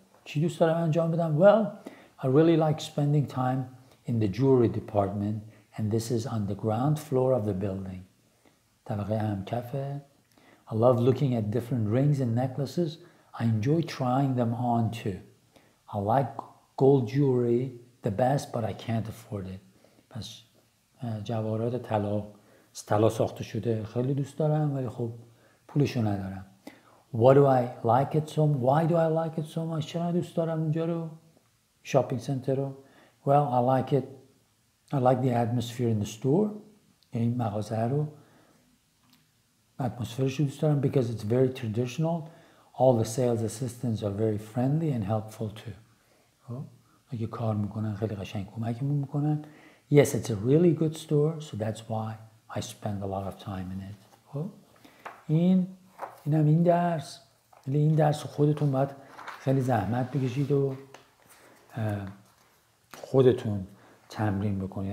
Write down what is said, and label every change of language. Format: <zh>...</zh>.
<fa>چی دوست دارم انجام بدم؟</fa> <en>Well, I really like spending time in the jewelry department and this is on the ground floor of the building.</en> <fa>طبقه همکفه.</fa> <en>I love looking at different rings and necklaces. I enjoy trying them on too. I like gold jewelry the best, but I can't afford it.</en> <fa>پس جواهرات طلا، طلا ساخته شده خیلی دوست دارم ولی خب پولشو ندارم.</fa> <en>Why do I like it so much?</en> <fa>چرا دوست دارم اونجا رو؟ شاپینگ سنتر رو.</fa> <en>Well, I like it. I like the atmosphere in the store.</en> <fa>یعنی مغازه رو. اتمسفرش رو دوست دارم</fa> <en>because it's very traditional. All the sales assistants are very friendly and helpful too.</en> <fa>اگه کار میکنن خیلی قشنگ کمکمون میکنن.</fa> <en>Yes, it's a really good store, so that's why I spend a lot of time in it.</en> <fa>اینم این درس. ولی این درس خودتون باید خیلی زحمت بکشید و خودتون تمرین بکنید.</fa>